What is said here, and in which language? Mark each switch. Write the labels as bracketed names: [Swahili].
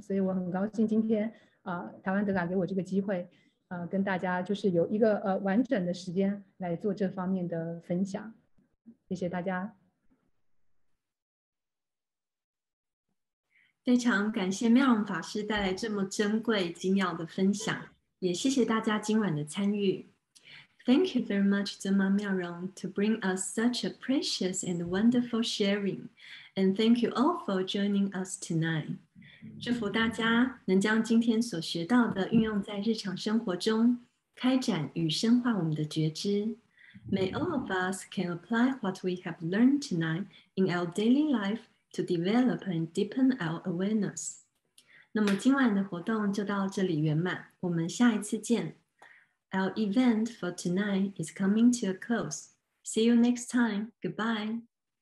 [Chinese] 所以我很高兴今天台湾德嘎给我这个机会跟大家就是有一个完整的时间来做这方面的分享，谢谢大家。非常感谢妙容法师带来这么珍贵精要的分享，也谢谢大家今晚的参与。 [English] Thank you very much, Zema Miaorong, to bring us such a precious and wonderful sharing. And thank you all for joining us tonight. [Chinese] 祝福大家能将今天所学到的运用在日常生活中，开展与深化我们的觉知。 [English] May all of us can apply what we have learned tonight in our daily life to develop and deepen our awareness. [Chinese] 那么今晚的活动就到这里圆满，我们下一次见。 [English] Our event for tonight is coming to a close. See you next time. Goodbye.